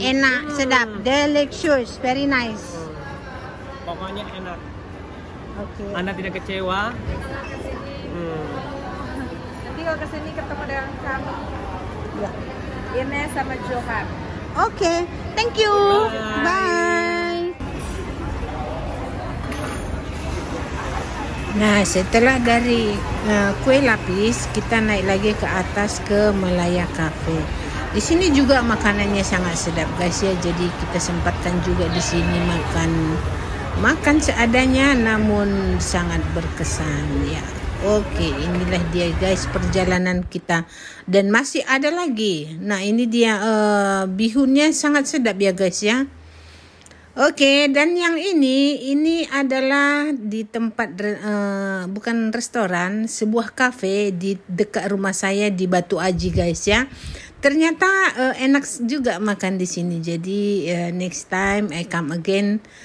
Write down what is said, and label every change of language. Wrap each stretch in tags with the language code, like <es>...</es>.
<id>Enak, sedap,</id> <en>delicious, very nice.</en> <id>Pokoknya enak. Okay. Anda tidak kecewa. kesini ketemu dengan kami. Ya. Ine sama Johan.</id> <en>Oke, okay. Thank you. Bye. Bye.</en> <id>Nah, setelah dari kue lapis, kita naik lagi ke atas ke Melaya Cafe. Di sini juga makanannya sangat sedap, guys ya. Jadi kita sempatkan juga di sini makan seadanya, namun sangat berkesan ya. Oke, inilah dia guys perjalanan kita, dan masih ada lagi. Nah, ini dia bihunnya sangat sedap ya guys ya. Oke, dan yang ini adalah di tempat bukan restoran, sebuah kafe di dekat rumah saya di Batu Aji guys ya. Ternyata enak juga makan di sini.</id> <en>Jadi next time I come again.</en>